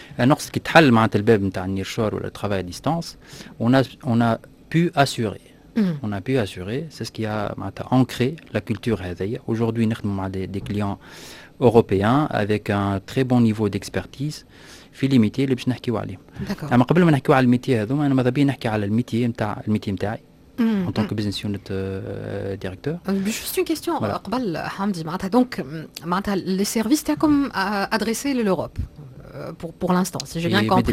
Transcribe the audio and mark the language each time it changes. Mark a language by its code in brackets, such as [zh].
[fr] Lorsqu'il y a le travail ou le travail à distance, on a pu assurer. On a pu assurer, c'est ce qui a ancré la culture. Aujourd'hui, on a des clients européens avec un très bon niveau d'expertise. [ar] في لي ميتي اللي باش نحكيو عليهم. اما قبل ما نحكيو على الميتي هذوما انا ماذا بيا نحكي على الميتي نتاع الميتي نتاعي. [fr] En tant que business unit directeur. Juste une question, [ar] قبل حمدي معناتها دونك معناتها [fr] les services t'as comme adressé l'Europe pour l'instant, si j'ai bien compris.